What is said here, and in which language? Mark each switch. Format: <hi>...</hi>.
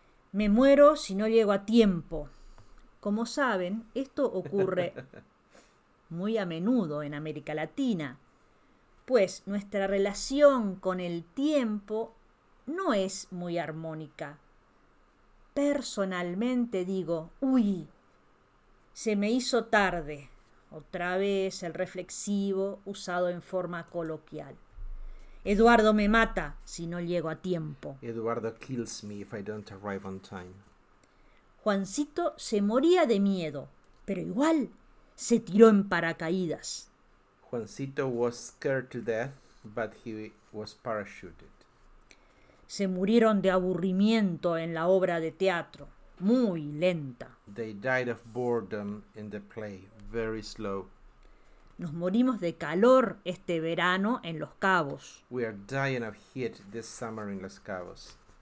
<es>Me muero si no llego a tiempo. Como saben, esto ocurre muy a menudo en América Latina, pues nuestra relación con el tiempo no es muy armónica. Personalmente digo, uy, se me hizo tarde. Otra vez el reflexivo usado en forma coloquial. Eduardo me mata si no llego a tiempo.</es> <en>Eduardo kills me if I don't arrive on time.</en> <es>Juancito se moría de miedo, pero igual se tiró en paracaídas.</es> <en>Juancito was scared to death, but he was parachuted.</en> <es>Se murieron de aburrimiento en la obra de teatro, muy lenta.</es> <en>They died of boredom in the play. Very slow.</en> <es>Nos morimos de calor este verano en Los Cabos.</es> <en>We are dying of heat this summer in Los Cabos.</en>